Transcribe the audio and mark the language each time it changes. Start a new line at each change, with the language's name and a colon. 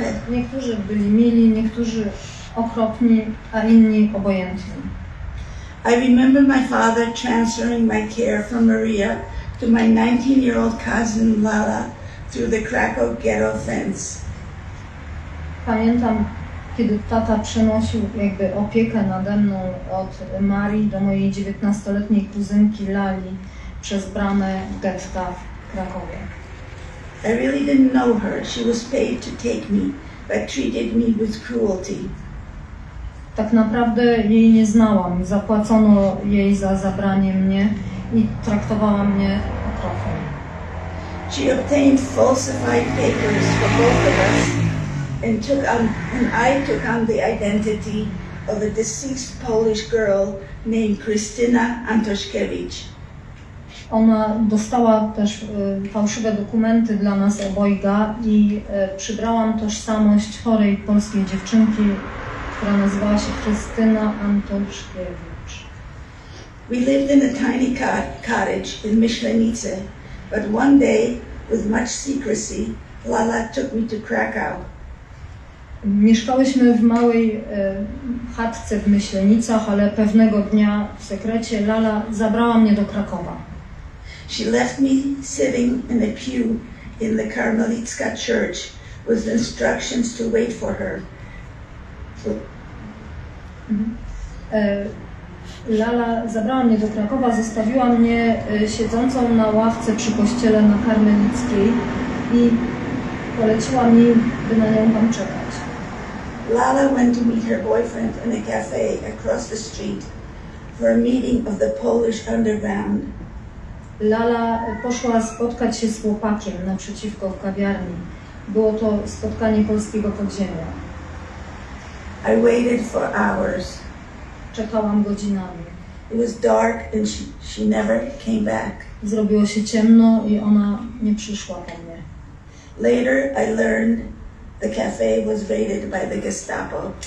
Polish: Niektórzy byli mili, niektórzy okropni, a inni obojętni.
English: I remember my father transferring my care from Maria to my 19-year-old cousin Lala through the Krakow ghetto fence.
Polish: Pamiętam, kiedy tata przenosił jakby opiekę nade mną od Marii do mojej 19-letniej kuzynki Lali przez bramę getta w Krakowie.
English: I really didn't know her. She was paid to take me, but treated me with cruelty.
Polish: Tak naprawdę jej nie znałam. Zapłacono jej za zabranie mnie i traktowała mnie okropnie.
English: She obtained falsified papers for both of us and I took on the identity of a deceased Polish girl named Krystyna Antoszkiewicz.
Polish: Ona dostała też fałszywe dokumenty dla nas obojga i przybrałam tożsamość chorej polskiej dziewczynki, która nazywała się Krystyna Antoszkiewicz.
English: We lived in a tiny cottage in Myślenice, but one day, with much secrecy, Lala took me to Krakow.
Polish: Mieszkałyśmy w małej chatce w Myślenicach, ale pewnego dnia w sekrecie Lala zabrała mnie do Krakowa.
English: She left me sitting in a pew in the Karmelitska church with instructions to wait for her.
Polish: Lala zabrała mnie do Krakowa, zostawiła mnie siedzącą na ławce przy kościele na Karmelickiej i poleciła mi, by na nią tam czekać.
English: Lala went to meet her boyfriend in a cafe across the street for a meeting of the Polish underground.
Polish: Lala poszła spotkać się z chłopakiem naprzeciwko w kawiarni. Było to spotkanie polskiego podziemia.
English: I waited for hours.
Polish: Czekałam godzinami.
English: It was dark and she never came back.
Polish: Zrobiło się ciemno i ona nie przyszła po mnie.
English: Later I learned the cafe was raided by the Gestapo.